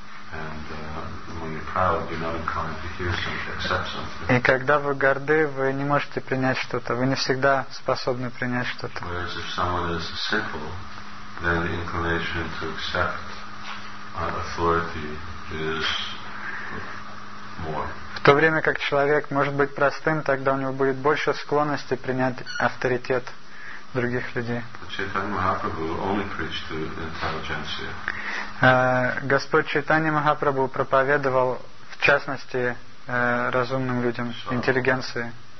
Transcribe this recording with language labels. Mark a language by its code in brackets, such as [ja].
[en] And when you're proud, you're not inclined to hear something, accept something. [ru] И когда вы горды, вы не можете принять что-то. Вы не всегда способны принять что-то. [en] Whereas if someone is simple, then the inclination to accept authority is more. [ru] В то время как человек может быть простым, тогда у него будет больше склонности принять авторитет других людей. [en] Chaitanya Mahaprabhu only preached to intelligentsia. [ru] Господь Чайтанья Махапрабху проповедовал в частности разумным людям, интеллигенции.